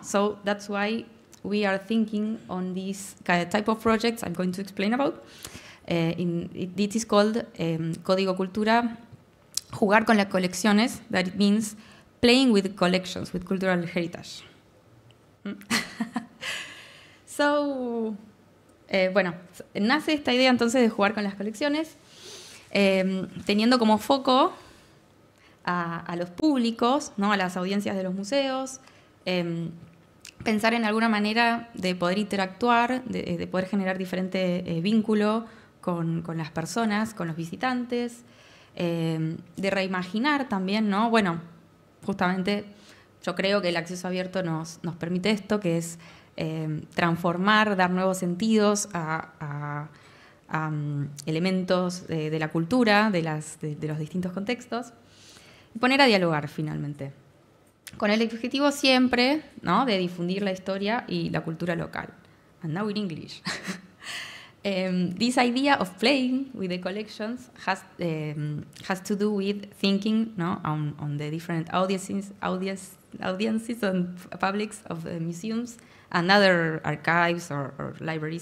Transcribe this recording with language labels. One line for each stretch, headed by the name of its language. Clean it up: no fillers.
English: So that's why we are thinking on this type of projects I'm going to explain about. It is called Código Cultura, jugar con las colecciones, that it means playing with collections, with cultural heritage.
Spanish: So, bueno, nace esta idea entonces de jugar con las colecciones, teniendo como foco a los públicos, ¿no?, a las audiencias de los museos, pensar en alguna manera de poder interactuar, de poder generar diferente vínculo con las personas, con los visitantes, de reimaginar también, ¿no? Bueno, justamente yo creo que el acceso abierto nos permite esto, que es transformar, dar nuevos sentidos a elementos de la cultura, de los distintos contextos. Poner a dialogar, finalmente. con el objetivo siempre, ¿no?, de difundir la historia y la cultura local.
English: And now in English. this idea of playing with the collections has to do with thinking, no, on the different audiences and publics of the museums and other archives or libraries.